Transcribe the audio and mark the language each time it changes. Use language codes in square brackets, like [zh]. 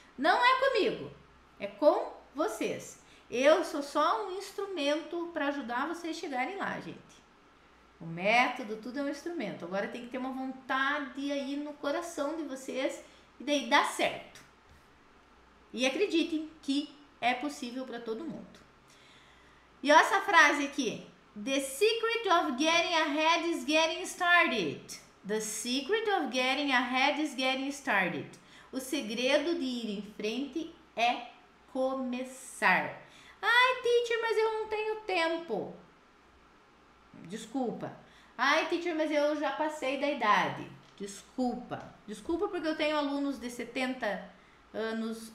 [pt] Não é comigo, é com vocês. Eu sou só um instrumento para ajudar vocês chegarem lá, gente. O método, tudo é um instrumento. Agora tem que ter uma vontade aí no coração de vocês e daí dá certo. E acreditem que é possível para todo mundo. E olha essa frase aqui. [en] The secret of getting ahead is getting started. The secret of getting ahead is getting started. [pt] O segredo de ir em frente é começar. Ai, teacher, mas eu não tenho tempo. Desculpa. Ai, teacher, mas eu já passei da idade. Desculpa. Desculpa porque eu tenho alunos de 70 anos.